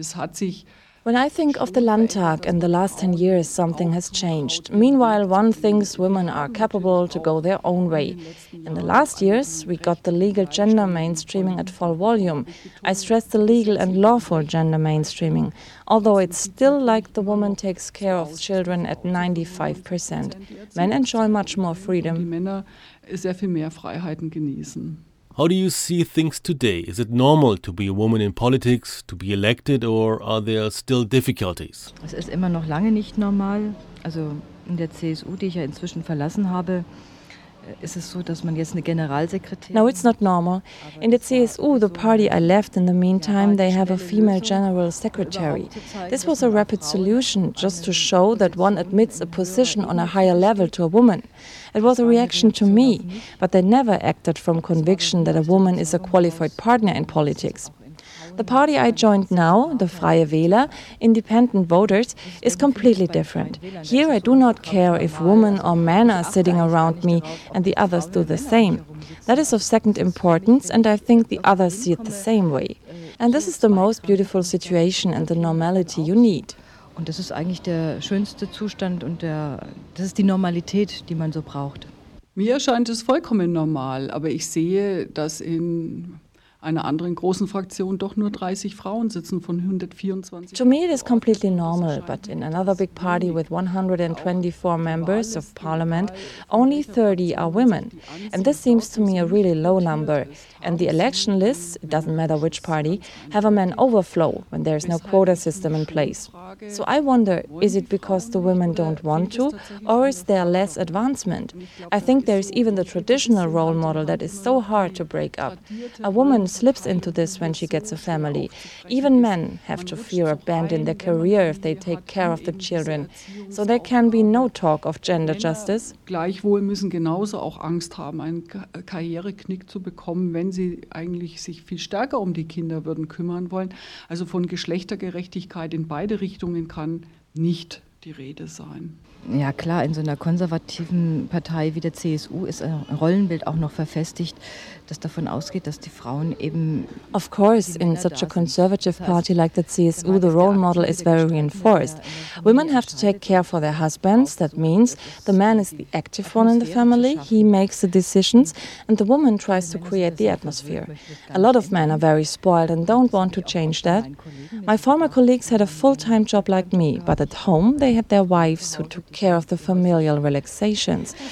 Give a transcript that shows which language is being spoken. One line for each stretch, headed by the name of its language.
German: Es hat sich.
English: When I think of the Landtag in the last 10 years, something has changed. Meanwhile, one thinks women are capable to go their own way. In the last years, we got the legal gender mainstreaming at full volume. I stress the legal and lawful gender mainstreaming, although it's still like the woman takes care of children at 95%. Men enjoy much more freedom. How do you see things today? Is it normal to be a woman in politics, to be elected, or are there still difficulties?
German: Es ist immer noch lange nicht normal. Also in der CSU, die ich ja inzwischen verlassen habe, ist es so, dass man jetzt eine Generalsekretärin.
English: No, it's not normal. In the CSU, the party I left in the meantime, they have a female general secretary. This was a rapid solution, just to show that one admits a position on a higher level to a woman. It was a reaction to me, but they never acted from conviction that a woman is a qualified partner in politics. The party I joined now, the Freie Wähler, independent voters, is completely different. Here I do not care if women or men are sitting around me and the others do the same. That is of second importance and I think the others see it the same way. And this is the most beautiful situation and the normality you need.
German: Und das ist eigentlich der schönste Zustand und der, das ist die Normalität, die man so braucht. Mir erscheint es vollkommen normal, aber ich sehe, dass in einer anderen großen Fraktion doch nur 30 Frauen sitzen von 124.
English: To me it is completely normal, but in another big party with 124 members of parliament, only 30 are women. And this seems to me a really low number. And the election lists, it doesn't matter which party, have a man overflow when there is no quota system in place. So I wonder, is it because the women don't want to, or is there less advancement? I think there is even the traditional role model that is so hard to break up. A woman slips into this when she gets a family. Even men have to fear abandoning their career if they take care of the children. So there can be no talk of gender justice.
German: Gleichwohl müssen genauso auch Angst haben, einen Karriereknick zu bekommen, wenn sie eigentlich sich viel stärker um die Kinder würden kümmern wollen. Also von Geschlechtergerechtigkeit in beide Richtungen kann nicht die Rede sein. Ja klar, in so einer konservativen Partei wie der CSU ist ein Rollenbild auch noch verfestigt, das davon ausgeht, dass die Frauen eben.
English: Of course, in such a conservative party like the CSU, the role model is very reinforced. Women have to take care for their husbands. That means the man is the active one in the family. He makes the decisions, and the woman tries to create the atmosphere. A lot of men are very spoiled and don't want to change that. My former colleagues had a full-time job like me, but at home they had their wives who took care of the familial relaxations.